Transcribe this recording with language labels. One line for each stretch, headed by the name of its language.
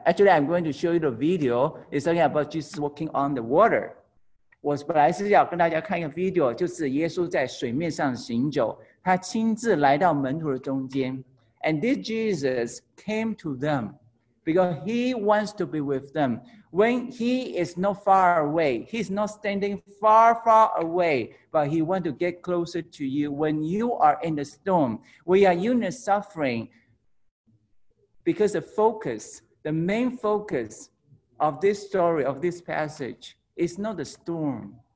English: Actually, I'm going to show you the video. It's talking about Jesus walking on the water.
Chinese: 我本来是要跟大家看一个video, 就是耶稣在水面上行走, 他亲自来到门徒的中间。
English: And this Jesus came to them because he wants to be with them. When he is not far away, he's not standing far, far away, but he wants to get closer to you. When you are in the storm, we are in the suffering, because the focus, the main focus of this story, of this passage, is not the storm.